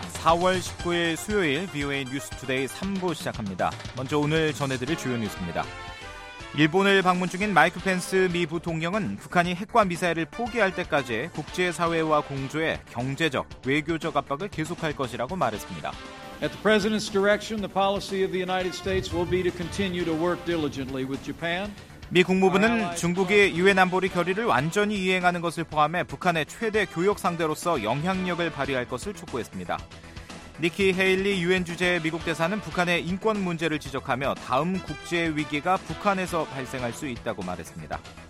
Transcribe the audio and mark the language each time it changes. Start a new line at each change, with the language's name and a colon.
Korean: 4월 19일 수요일 VOA 뉴스 투데이 3부 시작합니다. 먼저 오늘 전해드릴 주요 뉴스입니다. 일본을 방문 중인 마이크 펜스 미 부통령은 북한이 핵과 미사일을 포기할 때까지 국제사회와 공조에 경제적, 외교적 압박을 계속할 것이라고 말했습니다.
English: At the president's direction, the policy of the United States will be to continue to work diligently with Japan.
Korean: 미 국무부는 중국이 유엔 안보리 결의를 완전히 이행하는 것을 포함해 북한의 최대 교역 상대로서 영향력을 발휘할 것을 촉구했습니다. 니키 헤일리 유엔 주재 미국 대사는 북한의 인권 문제를 지적하며 다음 국제 위기가 북한에서 발생할 수 있다고 말했습니다.